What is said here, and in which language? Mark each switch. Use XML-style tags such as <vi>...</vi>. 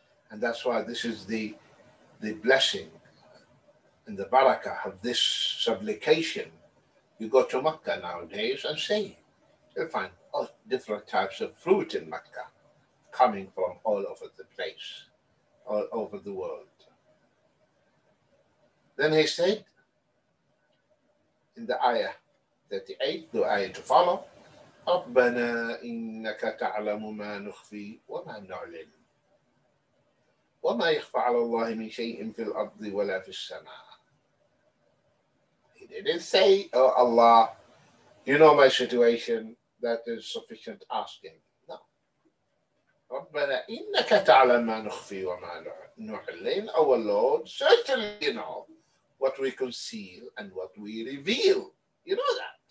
<en>And that's why this is the blessing and the barakah of this supplication. You go to Mecca nowadays and say, you'll find all different types of fruit in Mecca. coming from all over the place, all over the world. Then he said in the ayah 38, the ayah to follow,</en> <ar>رَبَّنَا إِنَّكَ تَعْلَمُ مَا نُخْفِي وَمَا نُعْلِنُ وَمَا يَخْفَى عَلَى اللَّهِ مِنْ شَيْءٍ فِي الْأَرْضِ وَلَا فِي السَّمَاءِ. He didn't say, oh Allah, you know my situation, that is sufficient asking.</ar> <en>No.</en> <ar>رَبَّنَا إِنَّكَ تَعْلَمُ مَا نُخْفِي وَمَا نُعْلِنُ.</ar> <en>Our Lord, certainly you know what we conceal and what we reveal. You know that.</en>